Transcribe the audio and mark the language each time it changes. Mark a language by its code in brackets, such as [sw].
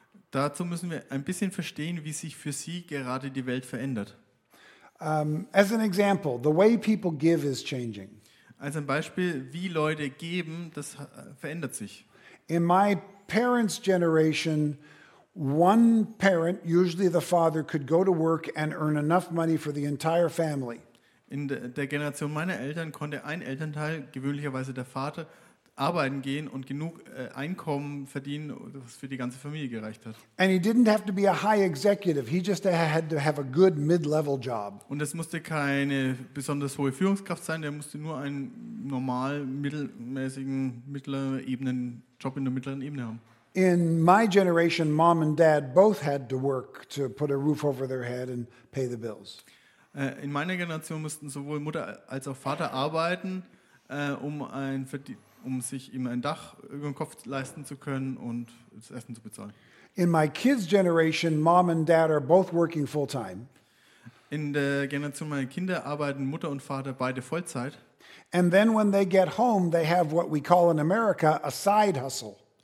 [de] Dazu müssen wir ein bisschen verstehen, wie sich für sie gerade die Welt verändert. [en] As an example, the way people give is changing. [de] Als ein Beispiel, wie Leute geben, das verändert sich. [en] In my parents' generation, one parent, usually the father, could go to work and earn enough money for the entire family. [de] In der Generation meiner Eltern konnte ein Elternteil, gewöhnlicherweise der Vater, arbeiten gehen und genug Einkommen verdienen, was für die ganze Familie gereicht hat. [en] And he didn't have to be a high executive. He just had to have a good mid-level job. [de] Und es musste keine besonders hohe Führungskraft sein. Der musste nur einen normal mittelmäßigen mittleren Ebenen Job in der mittleren Ebene haben. [en] In my generation, mom and dad both had to work to put a roof over their head and pay the bills. [de] In meiner Generation mussten sowohl Mutter als auch Vater arbeiten, um sich ihm ein Dach über den Kopf leisten zu können und das Essen zu bezahlen. [en] In my kids' generation, mom and dad are both working full time. [de] In der Generation meiner Kinder arbeiten Mutter und Vater beide Vollzeit. [en] And then when they get home, they have what we call in America a side hustle.